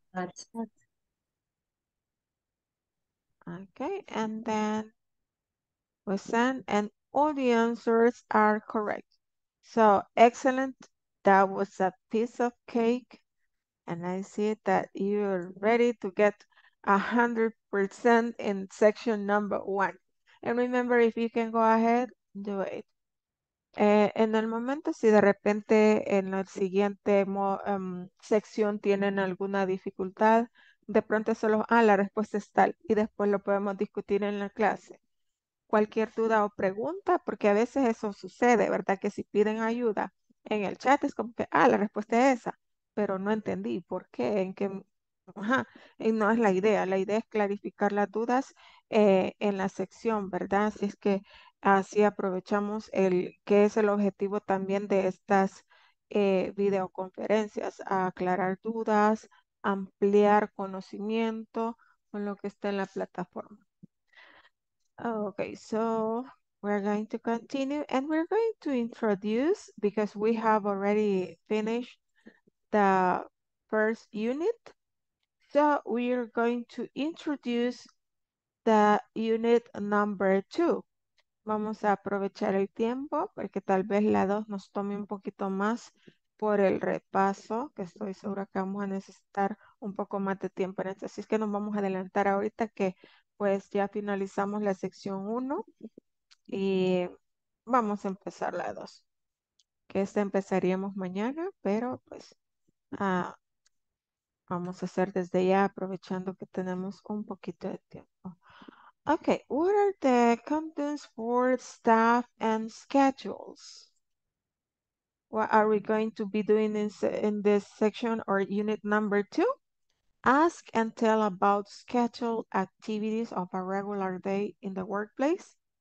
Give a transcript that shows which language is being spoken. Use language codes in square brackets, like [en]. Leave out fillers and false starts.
[en] Okay, and then we send, and all the answers are correct. So, excellent. That was a piece of cake. And I see that you're ready to get 100% in section number 1. And remember, if you can go ahead, do it. [es] En el momento, si de repente en la siguiente sección tienen alguna dificultad, de pronto solo, la respuesta es tal, y después lo podemos discutir en la clase. Cualquier duda o pregunta, porque a veces eso sucede, ¿verdad? Que si piden ayuda en el chat, es como que, la respuesta es esa. Pero no entendí por qué, en qué, y no es la idea. La idea es clarificar las dudas en la sección, ¿verdad? Así es que así aprovechamos el que es el objetivo también de estas videoconferencias, aclarar dudas, ampliar conocimiento con lo que está en la plataforma. [en] Okay, so we're going to continue and we're going to introduce, because we have already finished the first unit. So we are going to introduce the unit number 2. [es] Vamos a aprovechar el tiempo porque tal vez la 2 nos tome un poquito más por el repaso, que estoy segura que vamos a necesitar un poco más de tiempo en esto. Así es que nos vamos a adelantar ahorita que pues ya finalizamos la sección 1 y vamos a empezar la 2. Que esta empezaríamos mañana, pero pues vamos a hacer desde ya aprovechando que tenemos un poquito de tiempo. [en] Okay, what are the contents for staff and schedules? What are we going to be doing in this section or unit number 2? Ask and tell about scheduled activities of a regular day in the workplace.